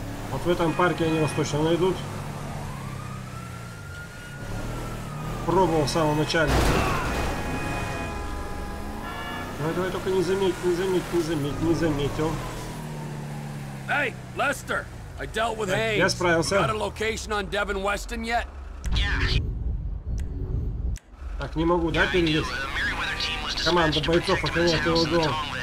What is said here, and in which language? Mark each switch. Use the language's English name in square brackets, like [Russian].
[Russian] Вот в этом парке они вас точно найдут. Пробовал в самом начале. Давай, давай, только не заметь, не заметь, не заметь, не заметил. [English] Эй, Лестер, I dealt with Hayes. [Russian] Я справился. [English] Got a location on Devin Weston yet? [Russian] Так, не могу, да, перейдет? Команда бойцов охраняет его дом.